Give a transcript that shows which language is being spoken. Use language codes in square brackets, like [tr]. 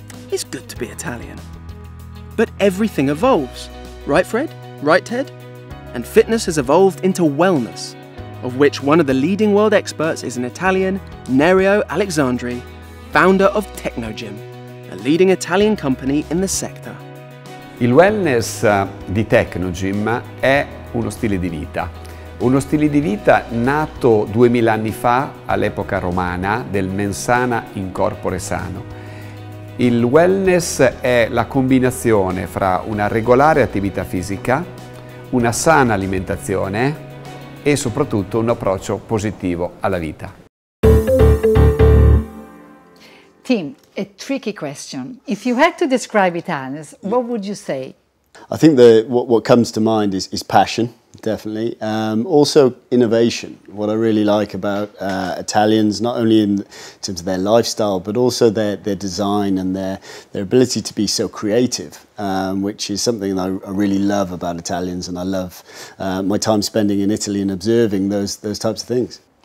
[en] It's good to be Italian. But everything evolves. Right, Fred? Right, Ted? And fitness has evolved into wellness, of which one of the leading world experts is an Italian, Nerio Alexandri, founder of Technogym, a leading Italian company in the sector. [it] Il wellness di Technogym è uno stile di vita. Uno stile di vita nato 2000 anni fa all'epoca romana del [la] mens sana in corpore sano. [it] Il wellness è la combinazione fra una regolare attività fisica, una sana alimentazione e soprattutto un approccio positivo alla vita. [en] Tim, a tricky question. If you had to describe Italians, what would you say? I think what comes to mind is passion. Definitely. Also, innovation. What I really like about Italians, not only in terms of their lifestyle, but also their design and their ability to be so creative, which is something that I really love about Italians, and I love my time spending in Italy and observing those types of things.